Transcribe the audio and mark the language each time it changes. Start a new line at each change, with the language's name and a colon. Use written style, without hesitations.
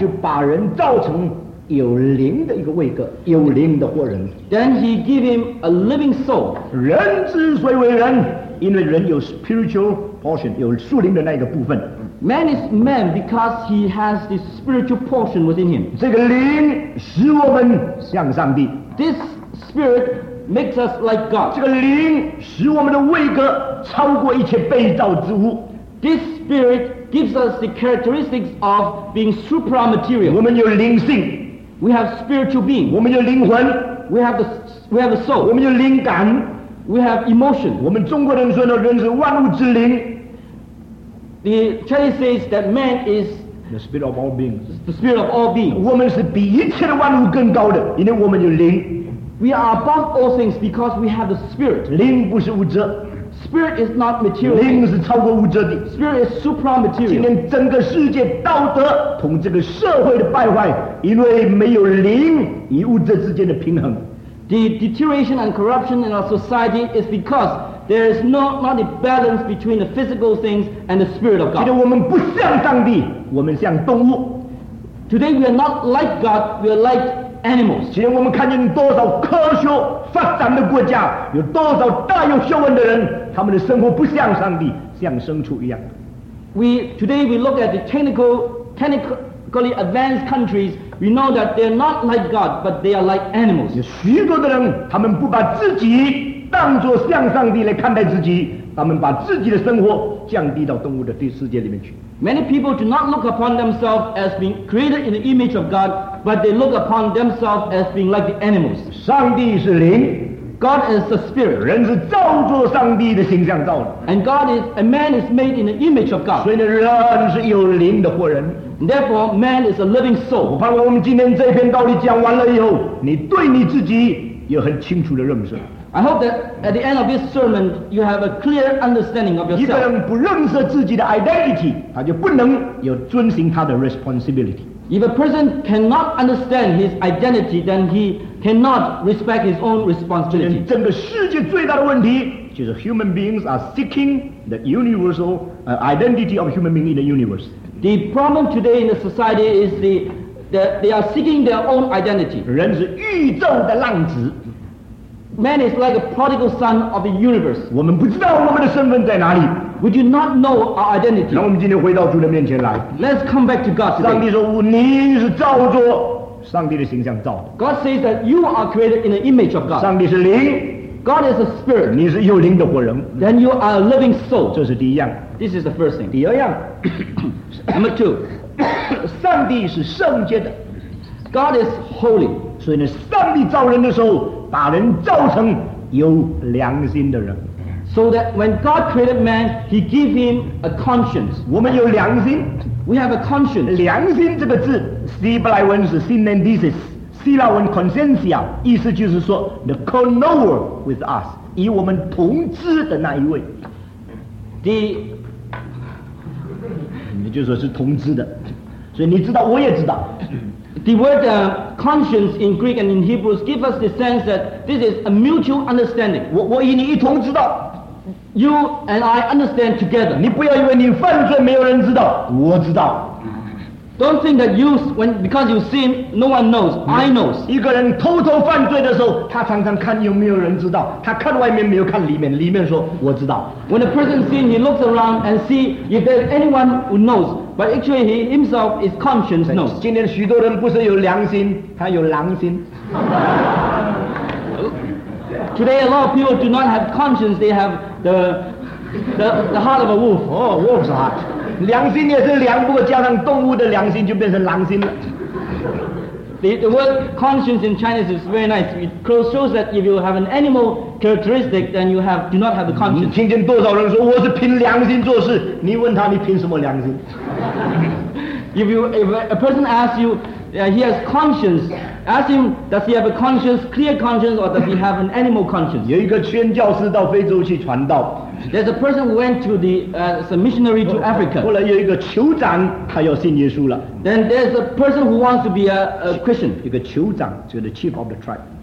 Chinese: 就把人造成有灵的一个位格，有灵的活人。
English: Then he gave him a living soul.
Chinese: 人之所以为人，因为人有 spiritual portion，有属灵的那一个部分。
English: Man is man because he has the spiritual portion within him.
Chinese: 这个灵使我们像上帝。
English: This spirit makes us like God.
Chinese: 这个灵使我们的位格超过一切被造之物。
English: This spirit gives us the characteristics of being supramaterial.
Chinese: 我们有灵性。
English: We have spiritual being.
Chinese: 我们有灵魂。
English: We have a soul.
Chinese: 我们有灵感。
English: We have emotion.
Chinese: 我们中国人说呢，人是万物之灵。
English: The Chinese says that man is the spirit of all beings. The spirit of all beings.
Chinese: 我们是比一切的万物更高的，因为我们有灵。
English: We are above all things because we have the spirit.
Chinese: 灵不是物质。
English: Spirit is not material.
Chinese: 灵是超过物质的。
English: Spirit is supramaterial.
Chinese: 今天整个世界道德同这个社会的败坏，因为没有灵与物质之间的平衡。
English: The deterioration and corruption in our society is because there is not a balance between the physical things and the spirit of God.
Chinese: 今天我们不像上帝，我们像动物。
English: Today we are not like God, we are like animals.
Chinese: 今天我们看见多少科学发展的国家，有多少大有学问的人，他们的生活不像上帝，像牲畜一样。
English: Today we look at the technically advanced countries. We know that they are not like God, but they are like animals.
Chinese: 有许多的人，他们不把自己当作像上帝来看待自己，他们把自己的生活降低到动物的世界里面去。
English: Many people do not look upon themselves as being created in the image of God, but they look upon themselves as being like the animals.
Chinese: 上帝是灵。
English: God is the spirit.
Chinese: 人是照着上帝的形象造的。
English: And man is made in the image of God.
Chinese: 所以呢，人是有灵的活人。
English: Therefore, man is a living soul.
Chinese: 我盼望我们今天这篇道理讲完了以后，你对你自己有很清楚的认识。
English: I hope that at the end of this sermon, you have a clear understanding of yourself.
Chinese: 一个人不认识自己的 identity, 他就不能有遵循他的 responsibility.
English: If a person cannot understand his identity, then he cannot respect his own responsibility. 今天整个世界最大的问题就是 human beings are seeking the universal identity of human being in the universe. The problem today in the society is that they are seeking their own identity.
Chinese: 人是宇宙的浪子。
English: Man is like a prodigal son of the universe.
Chinese: 我们不知道我们的身份在哪里。
English: We do not know our identity.
Chinese: 让我们今天回到主的面前来。
English: Let's come back to God today.
Chinese: 上帝说，你是造作上帝的形象造的。
English: God says that you are created in the image of God.
Chinese: 上帝是灵。
English: God is a spirit.
Chinese: 你是有灵的活人。
English: Then you are a living soul.
Chinese: 这是第一样。
English: This is the first thing.
Chinese: 第二样。
English: Number two,
Chinese: 上帝是圣洁的。
English: God is holy.
Chinese: 所以呢，上帝造人的时候，把人造成有良心的人。
English: So that when God created man, He gave him a conscience.
Chinese: 我们有良心。
English: We have a conscience.
Chinese: 良心这个字，希伯来文是 synenthesis， 希腊文 consensia， 意思就是说 the co-knower with us，与我们同知的那一位。你就说是同知的，所以你知道，我也知道。
English: The word conscience in Greek and in Hebrews give us the sense that this is a mutual understanding.
Chinese: 我与你一同知道。
English: You and I understand together.
Chinese: 你不要以为你犯罪没有人知道，我知道。
English: Don't think that you when because you sin, no one knows. I know.
Chinese: 一个人偷偷犯罪的时候，他常常看有没有人知道。他看外面没有看里面，里面说我知道。
English: When a person sins, he looks around and see if there's anyone who knows. But actually, he himself is conscience knows.
Chinese: 今天许多人不是有良心，他有狼心。
English: Today, a lot of people do not have conscience. They have the heart of a wolf. Oh, wolf's heart.
Chinese: 良心也是良，不过加上动物的良心就变成狼心了。
English: The word conscience in Chinese is very nice. It shows that if you have an animal characteristic, then you do not have the conscience.
Chinese: 听见多少人说我是凭良心做事，你问他你凭什么良心？
English: if a person asks you, he has conscience, ask him does he have a conscience, clear conscience, or does he have an animal conscience?
Chinese: 有一个宣教士到非洲去传道。
English: There's a person who went to the missionary to Africa.
Chinese: 后来有一个酋长，他要信耶稣了。
English: Then there's a person who wants to be a Christian.
Chinese: 一个酋长，就是 chief of the tribe.